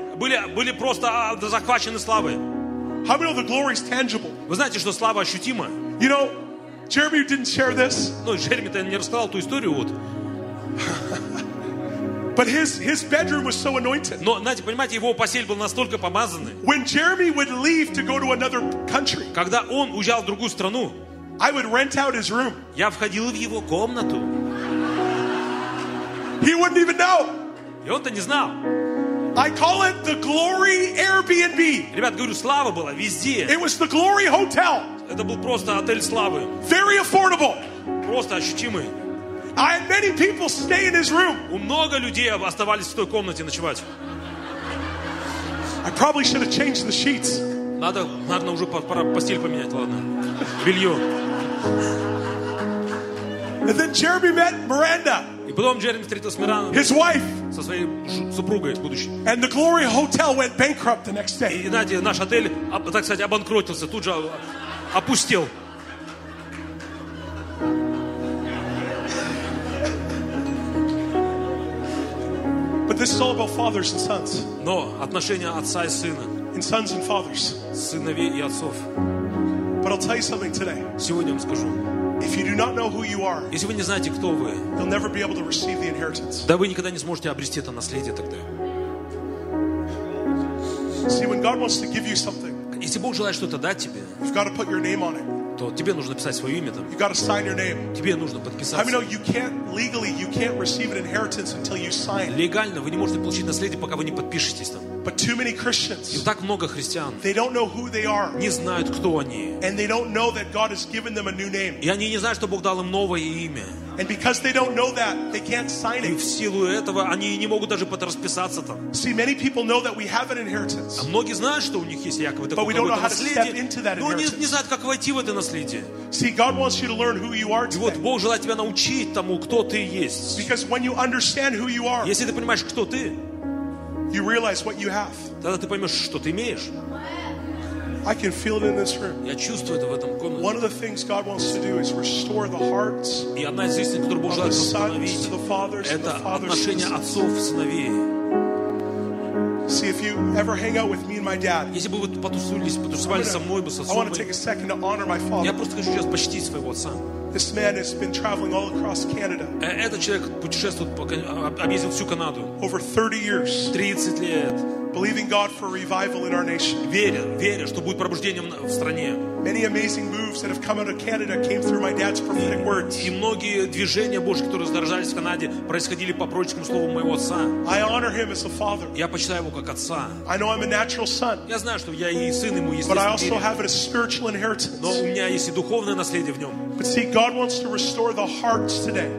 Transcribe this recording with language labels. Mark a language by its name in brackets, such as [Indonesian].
[Russian] Были просто захвачены славой. [English] How many know the glory is tangible? [Russian] Вы знаете, что слава ощутима? [English] You know, Jeremy didn't share this. [Russian] Ну, Джереми-то не рассказал ту историю вот. [English] But his bedroom was so anointed. [Russian] Но, знаете, понимаете, его постель была настолько помазана. [English] When Jeremy would leave to go to another country. [Russian] Когда он уезжал в другую страну. [English] I would rent out his room. [Russian] Я входил в его комнату. [English] He wouldn't even know. [Russian] И он-то не знал. [English] I call it the glory Airbnb. [Russian] Ребят, говорю, слава была везде. [English] It was the glory hotel. [Russian] Это был просто отель славы. [English] Very affordable. [Russian] Просто ощутимый. [English] I had many people stay in his room. [Russian] У много людей оставались в той комнате ночевать. [English] I probably should have changed the sheets. [Russian] Надо, наверное, уже пора постель поменять, ладно. Белье. [English] And then Jeremy met Miranda. [Russian] И потом Джереми встретил с Мирандой. [English] His wife. [Russian] Со своей супругой будущей. [English] And the glory hotel went bankrupt the next day. [Russian] И знаете, наш отель, так сказать, обанкротился тут же. Опустил. [English] But this is all about fathers and sons. [Russian] Но отношения отца и сына. [English] And sons and fathers. [Russian] Сыновей и отцов. [English] But I'll tell you something today. [Russian] Сегодня вам скажу. [English] If you do not know who you are, [Russian] если вы не знаете, кто вы, [English] you'll never be able to receive the inheritance. [Russian] Да вы никогда не сможете обрести это наследие тогда. [English] See, when God wants to give you something, [Russian] если Бог желает что-то дать тебе, [English] you've got to put your name on it. [Russian] То тебе нужно писать свое имя там. [English] You've got to sign your name. [Russian] Тебе нужно подписаться. [English] I mean, no, you can't legally, you can't receive an inheritance until you sign. [Russian] Легально вы не можете получить наследие, пока вы не подпишетесь там. [English] But too many Christians. [Russian] И так много христиан. [English] They don't know who they are. [Russian] Не знают, кто они. [English] And they don't know that God has given them a new name. [Russian] И они не знают, что Бог дал им новое имя. [English] And because they don't know that, they can't sign it. [Russian] И в силу этого они не могут даже подрасписаться там. [English] See, many people know that we have an inheritance. [Russian] А многие знают, что у них есть якобы такое наследие. Но они не знают, как войти в это наследие. [English] See, God wants you to learn who you are. [Russian] И вот Бог желает тебя научить тому, кто ты есть. [English] Because when you understand who you are, [Russian] если ты понимаешь, кто ты, [English] you realize what you have. [Russian] Тогда ты поймешь, что ты имеешь. [English] I can feel it in this room. [Russian] Я чувствую это в этом комнате. [English] One of the things God wants to do is restore the hearts. [Russian] И одна из вещей, которую Бог желает восстановить, это отношение отцов и сыновей. [English] See, if you ever hang out with me and my dad, [Russian] если бы вы потусовались со мной, бы со мной, [English] I want to take a second to honor my father. [Russian] Я просто хочу сейчас почтить своего отца. [English] This man has been traveling all across Canada. [Russian] Этот человек путешествует, объездил всю Канаду. [English] Over 30 years. [Russian] 30 лет. [English] Believing God for revival in our nation. [Russian] Веря, что будет пробуждением в стране. [English] Many amazing moves that have come out of Canada came through my dad's prophetic words. [Russian] И многие движения Божьи, которые раздражались в Канаде, происходили по пророческому слову моего отца. [English] I honor him as a father. [Russian] Я почитаю его как отца. [English] I know I'm a natural son. [Russian] Я знаю, что я и сын ему, естественно. [English] But I also have a spiritual inheritance. [Russian] Но у меня есть и духовное наследие в нем. [English] But see, God wants to restore the hearts today.